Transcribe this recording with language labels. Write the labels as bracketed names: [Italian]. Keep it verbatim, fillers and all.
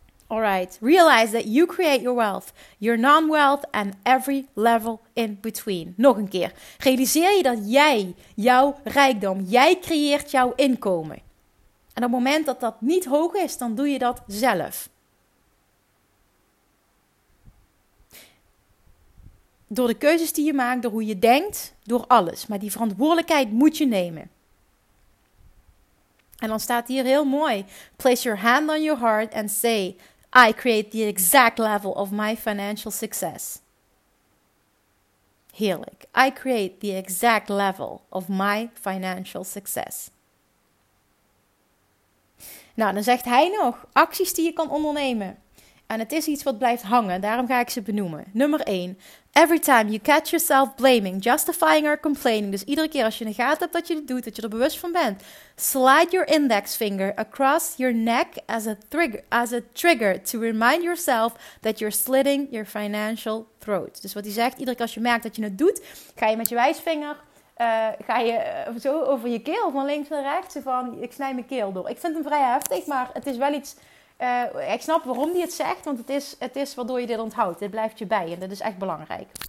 [English] Alright, realize that you create your wealth, your non-wealth and every level in between. [Dutch] Nog een keer. Realiseer je dat jij, jouw rijkdom, jij creëert jouw inkomen. En op het moment dat dat niet hoog is, dan doe je dat zelf. Door de keuzes die je maakt, door hoe je denkt, door alles. Maar die verantwoordelijkheid moet je nemen. En dan staat hier heel mooi. [English] Place your hand on your heart and say, I create the exact level of my financial success. [Dutch] Heerlijk. [English] I create the exact level of my financial success. [Dutch] Nou, dan zegt hij nog acties die je kan ondernemen. En het is iets wat blijft hangen, daarom ga ik ze benoemen. Nummer één. [English] Every time you catch yourself blaming, justifying or complaining. [Dutch] Dus iedere keer als je in de gaten hebt dat je dit doet, dat je er bewust van bent. [English] Slide your index finger across your neck as a trigger, as a trigger to remind yourself that you're slitting your financial throat. [Dutch] Dus wat hij zegt, iedere keer als je merkt dat je het doet, ga je met je wijsvinger... Uh, ga je uh, zo over je keel, van links naar rechts, van ik snij mijn keel door. Ik vind hem vrij heftig, maar het is wel iets... Uh, ik snap waarom hij het zegt, want het is, het is waardoor je dit onthoudt. Dit blijft je bij en dat is echt belangrijk.